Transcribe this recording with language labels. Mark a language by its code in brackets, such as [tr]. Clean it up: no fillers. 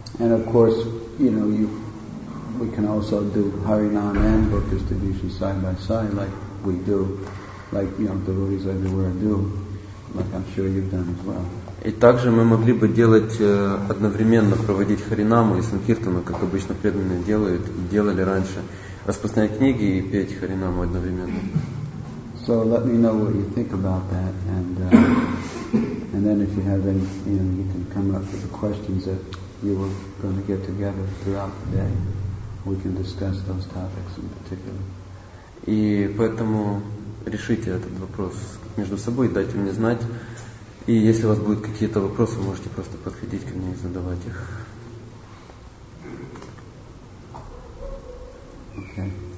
[en] And of course, you know, we can also do Harinam and book distribution side by side, like we do, like you know, devotees everywhere do, like I'm sure you've done as well. [ru] И также мы могли бы делать одновременно, проводить харинаму и санкиртану, как обычно преданные делают, делали раньше, распространять книги и петь харинаму одновременно. [en] So let me know what you think about that, and then if you have any, you know, you can come up with the questions that you were going to get together throughout the day. We can discuss those topics in particular. [ru] И поэтому решите этот вопрос между собой, дайте мне знать. И если у вас будут какие-то вопросы, вы можете просто подходить ко мне и задавать их. [en] Okay.